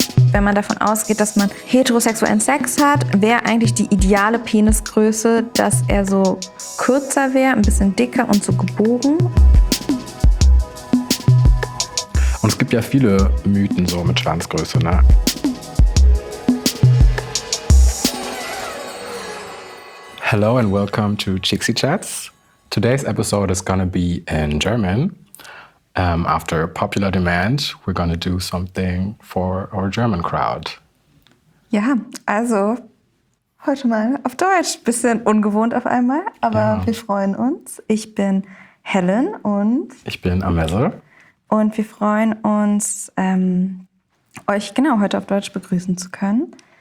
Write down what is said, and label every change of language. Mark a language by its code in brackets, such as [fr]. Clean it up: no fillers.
[de] Wenn man davon ausgeht, dass man heterosexuellen Sex hat, wäre eigentlich die ideale Penisgröße, dass er so kürzer wäre, ein bisschen dicker und so gebogen. Und es gibt ja viele Mythen so mit Schwanzgröße, ne? [en] Hello and welcome to Chixie Chats. Today's episode is gonna be in German. After popular demand, we're gonna do something for our German crowd. [de] Ja, also heute mal auf Deutsch. Bisschen ungewohnt auf einmal, aber ja. Wir freuen uns. Ich bin Helen und... Ich bin Amezel. Und wir freuen uns, euch genau heute auf Deutsch begrüßen zu können.